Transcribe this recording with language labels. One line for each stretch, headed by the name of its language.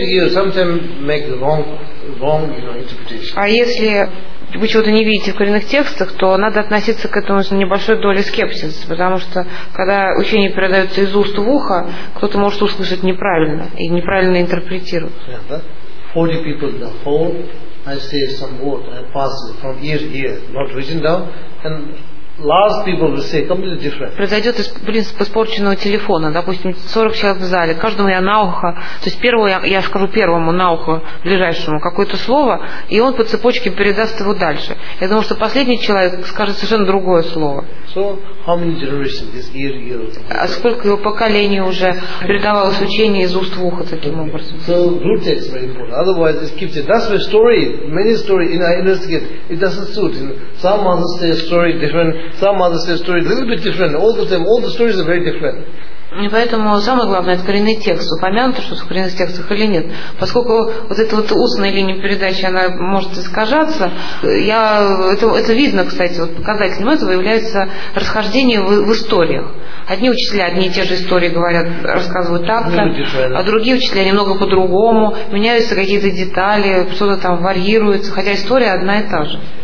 English: Sometimes make the wrong, you know, interpretation.
Russian: А если вы чего-то не видите в коренных текстах, то надо относиться к этому с небольшой долей скепсиса, потому что когда учение передается из уст в ухо, кто-то может услышать неправильно и неправильно интерпретировать.
English: Yeah, that 40 people in the hall, I say some word, I pass it from ear to ear, not written down, and last people will say completely different.
Russian: Произойдет принцип испорченного телефона. Допустим, 40 человек в зале, каждому я на ухо, то есть первому я скажу первому на ухо ближайшему какое-то слово, и он по цепочке передаст его дальше. Я думаю, что последний человек скажет совершенно другое слово.
English: So how many generations this ear
Russian: А сколько его поколений уже передавалось учение из уст в ухо таким образом?
English: So root text very important. Otherwise it keeps it. That's the story. Many story in I investigate. It doesn't suit. Some others say story different. Some others say story a little bit different. All the stories are very different.
Russian: И поэтому самое главное это коренный текст. Упомянуто, что в коренных текстах или нет. Поскольку вот эта вот устная линия передачи, она может искажаться, это видно, кстати, вот показателем этого является расхождение в историях. Одни учителя одни и те же истории говорят, рассказывают так-то, а другие учителя немного по-другому, меняются какие-то детали, что-то там варьируется, хотя история одна и та же.